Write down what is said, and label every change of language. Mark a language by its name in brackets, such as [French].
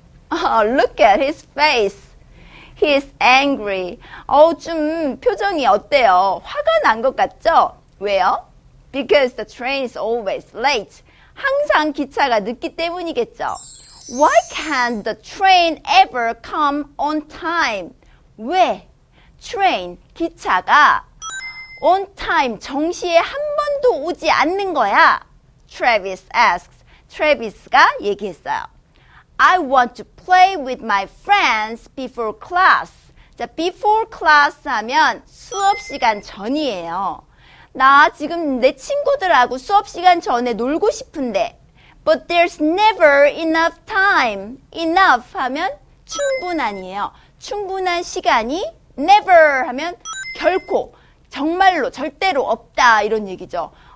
[English] Look at his face. He's angry. [Korean] 좀 표정이 어때요? 화가 난 것 같죠? 왜요? [English] Because the train is always late. [Korean] 항상 기차가 늦기 때문이겠죠. [English] Why can't the train ever come on time? [Korean] 왜? Train, 기차가 on time, 정시에 한 번도 오지 않는 거야? [English] Travis asks. [Korean] Travis가 얘기했어요. [English] I want to play with my friends before class. [Korean] 자, before class 하면 수업 시간 전이에요. 나 지금 내 친구들하고 수업 시간 전에 놀고 싶은데. [English] But there's never enough time. [Korean] Enough 하면 충분한이에요. 충분한 시간이 never 하면 결코, 정말로, 절대로 없다. 이런 얘기죠.